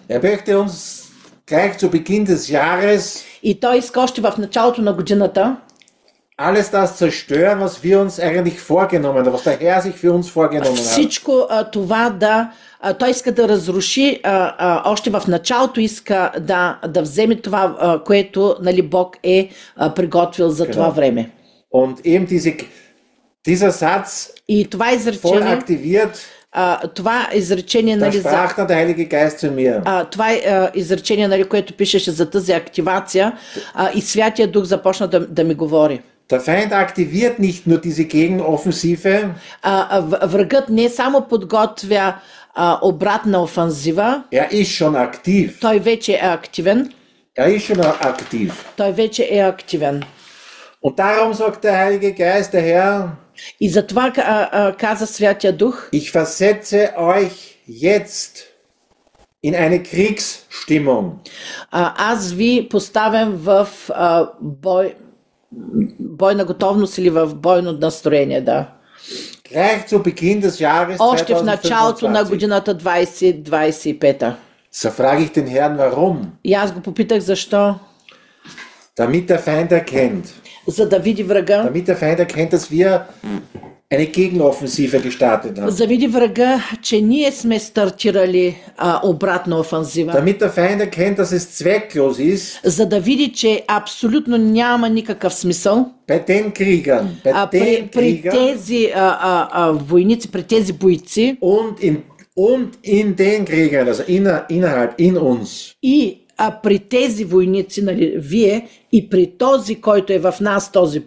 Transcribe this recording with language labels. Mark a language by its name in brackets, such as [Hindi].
[German] Er möchte uns gleich zu Beginn des Jahres [Bulgarian] и той иска още в началото на годината [German] alles das zerstören, was wir uns eigentlich vorgenommen haben, was der Herr sich für uns vorgenommen hat. [Bulgarian] Всичко това да, той иска да разруши, още в началото иска да вземе това, което, нали, Бог е приготвил за това време. [German] Und eben dieser Satz [Bulgarian] и това изречение [German] voll aktiviert, [Bulgarian] това изречение, нали, [German] da sprach der Heilige Geist zu mir. [Bulgarian] Това изречение, нали, което пишеше за тази активация, и Святия Дух започна да ми говори. [German] Der Feind aktiviert nicht nur diese Gegenoffensive. [Bulgarian] Врагът не само подготвя обратна офанзива. [German] Er ist schon aktiv. [Bulgarian] Той вече е активен. [German] Er ist schon aktiv. [Bulgarian] Той вече е активен. [German] Und darum sagt der Heilige Geist, der Herr. [Bulgarian] И затова каза Святия Дух. [German] Ich versetze euch jetzt in eine Kriegsstimmung. [Bulgarian] Аз ви поставям в бой. Бойна готовност или в бойно настроение, да. [German] Gleich zu Beginn des Jahres 2025. [Bulgarian] Още в началото на годината 2025-та. [German] So frage ich den Herrn warum. [Bulgarian] И аз го попитах защо. [German] Damit der Feind erkennt. [Bulgarian] За да види врага. [German] Damit der Feind erkennt, dass wir eine Gegenoffensive gestartet haben. [Bulgarian] За види врага, че ние сме стартирали обратна офанзива. [German] Damit der Feind erkennt, dass es zwecklos ist. [Bulgarian] За да види, че абсолютно няма никакъв смисъл. [German] Bei den Kriegern, [Bulgarian] при тези войници, при тези бойци. [German] Und in den Kriegern, also innerhalb in uns. [Bulgarian] И при тези войници, нали, вие и при този, който е в нас, този